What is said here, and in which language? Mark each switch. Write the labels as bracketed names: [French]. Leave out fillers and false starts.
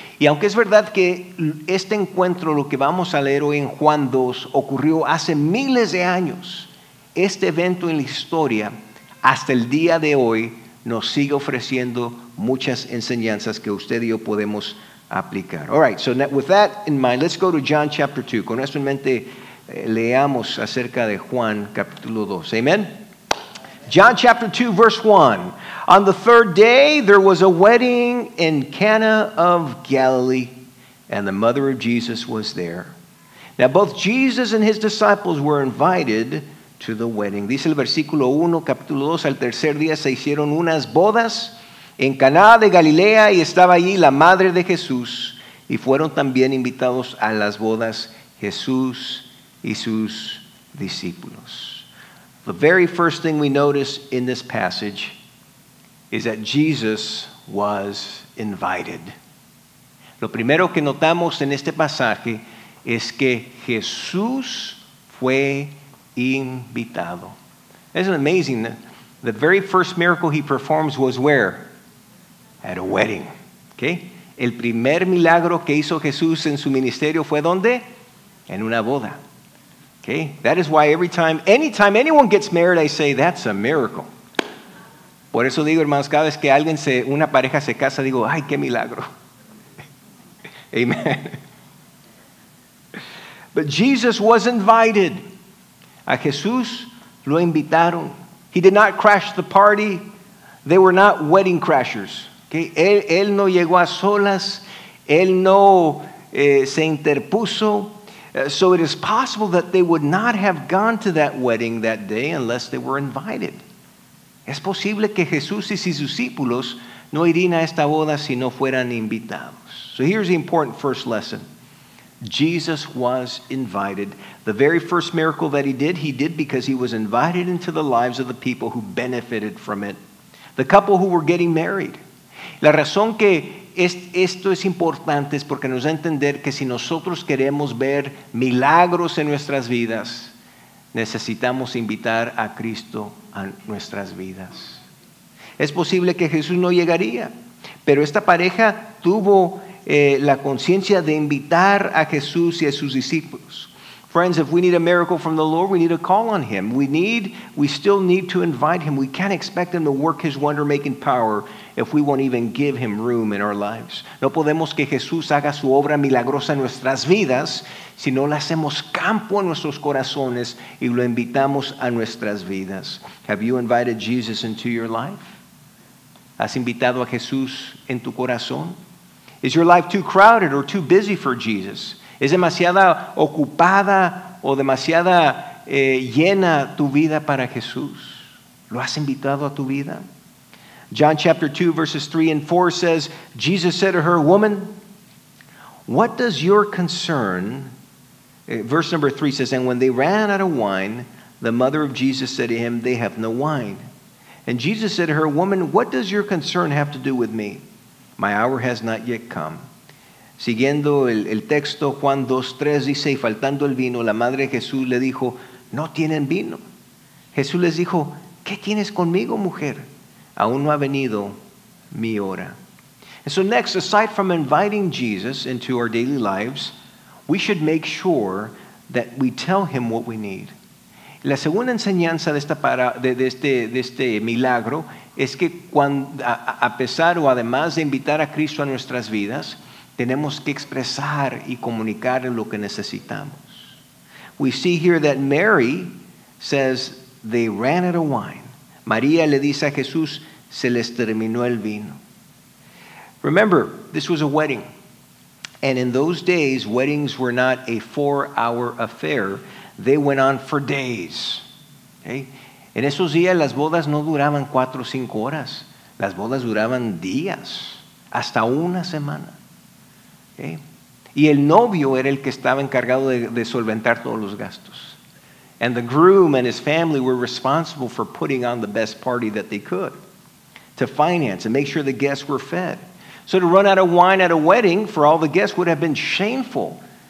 [Spanish] Y aunque es verdad que este encuentro, lo que vamos a leer hoy en Juan 2, ocurrió hace miles de años, este evento en la historia, hasta el día de hoy, nos sigue ofreciendo muchas enseñanzas que usted y yo podemos aplicar. [English] All right, so with that in mind, let's go to John chapter 2. [Spanish] Con esto en mente, leamos acerca de Juan capítulo 2. [English] Amen? John chapter 2, verse 1. "On the third day, there was a wedding in Cana of Galilee, and the mother of Jesus was there. Now, both Jesus and his disciples were invited to the wedding." [Spanish] Dice el versículo 1, capítulo 2, "Al tercer día se hicieron unas bodas en Caná de Galilea, y estaba allí la madre de Jesús, y fueron también invitados a las bodas Jesús y sus discípulos." [English] The very first thing we notice in this passage is that Jesus was invited. [Spanish] Lo primero que notamos en este pasaje es que Jesús fue invitado. [English] Isn't it amazing that the very first miracle he performs was where? At a wedding. Okay? [Spanish] El primer milagro que hizo Jesús en su ministerio fue ¿dónde? En una boda. Okay? [English] That is why anytime anyone gets married, I say, that's a miracle. [Spanish] Por eso digo, hermanos, cada vez que alguien se, una pareja se casa, digo, ¡ay, qué milagro! [English] Amen. But Jesus was invited. [Spanish] A Jesús lo invitaron. [English] He did not crash the party. They were not wedding crashers. Okay? [Spanish] Él no llegó a solas. Él no se interpuso. [English] So it is possible that they would not have gone to that wedding that day unless they were invited. [Spanish] Es posible que Jesús y sus discípulos no irían a esta boda si no fueran invitados. [English] So here's the important first lesson. Jesus was invited. The very first miracle that he did because he was invited into the lives of the people who benefited from it. The couple who were getting married. [Spanish] La razón que esto es importante es porque nos da a entender que si nosotros queremos ver milagros en nuestras vidas, necesitamos invitar a Cristo a nuestras vidas. Es posible que Jesús no llegaría, pero esta pareja tuvo la conciencia de invitar a Jesús y a sus discípulos. [English] Friends, if we need a miracle from the Lord, we need to call on Him. We still need to invite Him. We can't expect Him to work His wonder-making power if we won't even give Him room in our lives. [Spanish] No podemos que Jesús haga su obra milagrosa en nuestras vidas si no le hacemos campo en nuestros corazones y lo invitamos a nuestras vidas. [English] Have you invited Jesus into your life? [Spanish] ¿Has invitado a Jesús en tu corazón? [English] Is your life too crowded or too busy for Jesus? [Spanish] ¿Es demasiada ocupada o demasiada llena tu vida para Jesús? ¿Lo has invitado a tu vida? [English] John chapter 2, verses 3 and 4 says, Jesus said to her, woman, what does your concern... Verse number 3 says, and when they ran out of wine, the mother of Jesus said to him, they have no wine. And Jesus said to her, woman, what does your concern have to do with me? My hour has not yet come. [Spanish] Siguiendo el texto, Juan 2:3 dice, y faltando el vino, la madre de Jesús le dijo, no tienen vino. Jesús les dijo, ¿qué tienes conmigo, mujer? Aún no ha venido mi hora. [English] And so next, aside from inviting Jesus into our daily lives, we should make sure that we tell Him what we need. [Spanish] La segunda enseñanza de este milagro es que además de invitar a Cristo a nuestras vidas, tenemos que expresar y comunicar lo que necesitamos. [English] We see here that Mary says, they ran out of wine. [Spanish] María le dice a Jesús, se les terminó el vino. [English] Remember, this was a wedding. And in those days, weddings were not a four-hour affair. They went on for days. Okay? [Spanish] En esos días, las bodas no duraban 4 o 5 horas. Las bodas duraban días, hasta una semana. Okay. Y el novio era el que estaba encargado de solventar todos los gastos. [English] And the groom and his family were responsible for putting on the best party that they could to finance and make sure the guests were fed. So to run out of wine at a wedding for all the guests would have been shameful.